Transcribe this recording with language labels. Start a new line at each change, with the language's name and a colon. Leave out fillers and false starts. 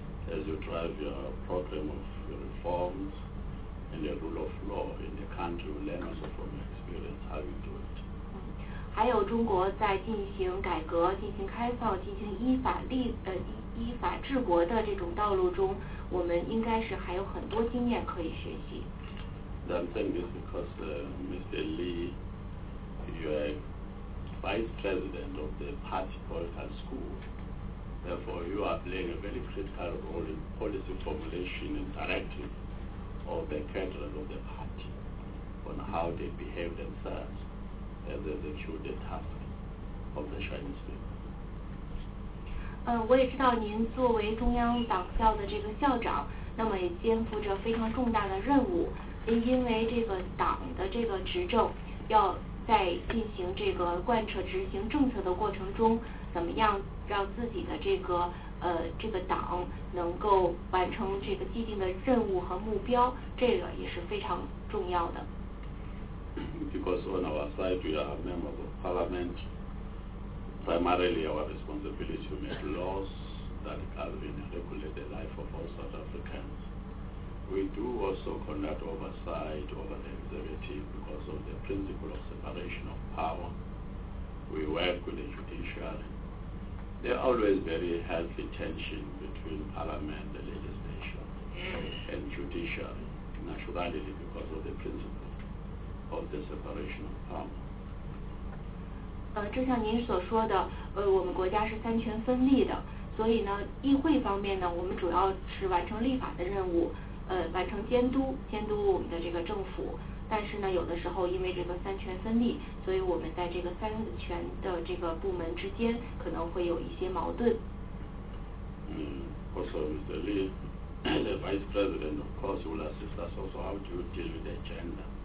English: As you drive your program of reforms and the rule of law in the country, learn also from experience how you do it.
Chinese: 还有中国在进行改革、进行开放、进行依法治国的这种道路中，我们应该是还有很多经验可以学习。
English: I'm saying this because Mr. Lee, you are vice president of the party political school. Therefore, you are playing a very critical role in policy formulation and directing of the cadre of the party on how they behave themselves. As executed task of the Chinese people.
Chinese: 我也知道您作为中央党校的这个校长，那么也肩负着非常重大的任务，因为这个党的这个执政，要在进行这个贯彻执行政策的过程中，怎么样让自己的这个党能够完成这个既定的任务和目标，这个也是非常重要的。
English: Because on our side, we are members of parliament. Primarily, our responsibility to make laws that govern and regulate the life of all South Africans. We do also conduct oversight over the executive because of the principle of separation of power. We work with the judiciary. There are always very healthy tensions between parliament, the legislature, and judiciary, naturally because of the principle.
Chinese: 就像您所说的，我们国家是三权分立的，所以呢，议会方面呢，我们主要是完成立法的任务，完成监督我们的这个政府。但是呢，有的时候因为这个三权分立，所以我们在这个三权的这个部门之间可能会有一些矛盾。
English: Also, Mr. Lee, the Vice President, of course, will assist us also how to deal with the agenda.